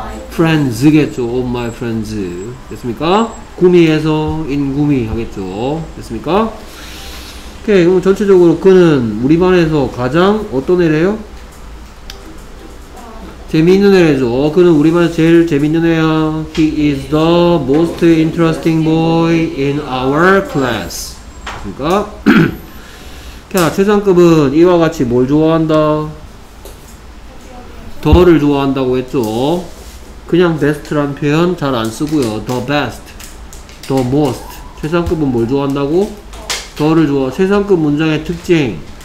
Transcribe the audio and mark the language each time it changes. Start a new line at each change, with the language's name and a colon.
English: Friends겠죠. All my friends.
Korean: 됐습니까? 구미에서 in 구미 하겠죠. 됐습니까? 오케이. 그럼 전체적으로 그는 우리 반에서 가장 어떤 애래요? 재미있는 애래죠. 그는 우리 반에서 제일 재미있는 애야.
English: He is the most interesting boy in our class.
Korean: 됐습니까? 자, 최상급은 이와 같이 뭘 좋아한다? 더를 좋아한다고 했죠. 그냥 best란 표현 잘 안 쓰고요.
English: The best, the most.
Korean: 최상급은 뭘 좋아한다고? 더를 좋아. 최상급 문장의 특징.